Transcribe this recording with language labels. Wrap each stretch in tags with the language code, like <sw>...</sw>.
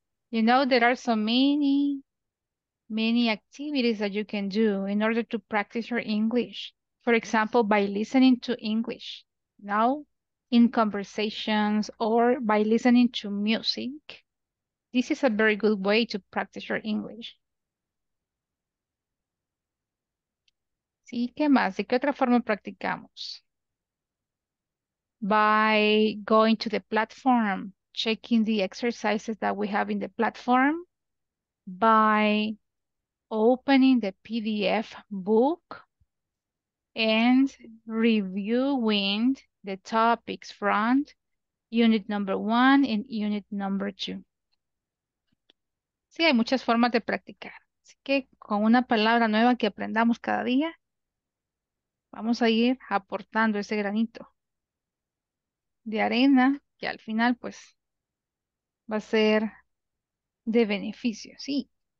<en>You know, there are so many, many activities that you can do in order to practice your English. For example, by listening to English, now in conversations or by listening to music. This is a very good way to practice your English.</en> <es>Sí, ¿qué más? ¿De qué otra forma practicamos?</es> <en>By going to the platform, checking the exercises that we have in the platform, by opening the PDF book and reviewing the topics from unit number one and unit number two.</en> <es>Sí, hay muchas formas de practicar. Así que con una palabra nueva que aprendamos cada día, vamos a ir aportando ese granito de arena que al final, pues, va a ser de beneficio, sí.</es>